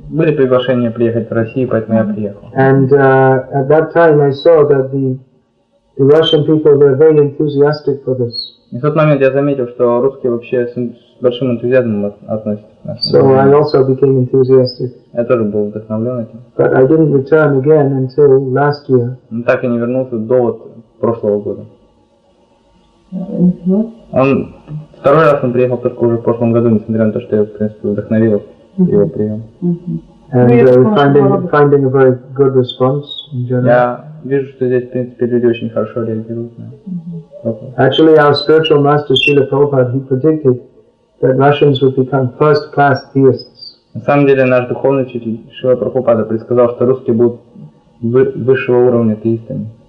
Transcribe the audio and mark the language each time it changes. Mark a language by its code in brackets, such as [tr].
[ru] Были приглашения приехать в Россию, поэтому я приехал. [en] And at that time I saw that the Russian people were very enthusiastic for this. [ru] И в тот момент я заметил, что русские вообще с большим энтузиазмом относятся к нашему. [en] So I also became enthusiastic. [ru] Я тоже был вдохновлен этим. [en] But I didn't return again until last year. [ru] Но так и не вернулся до вот прошлого года. Второй раз он приехал только уже в прошлом году, несмотря на то, что я, в принципе, вдохновил его прием. [en] Finding a very good response in general. [ru] Я вижу, что здесь, в принципе, люди очень хорошо реагируют на это. [en] Actually, our spiritual master Srila Prabhupada, he predicted that Russians would become first-class theists. [ru] На самом деле, наш духовный учитель Шрила Прабхупада предсказал, что русские будут высшего уровня теистами.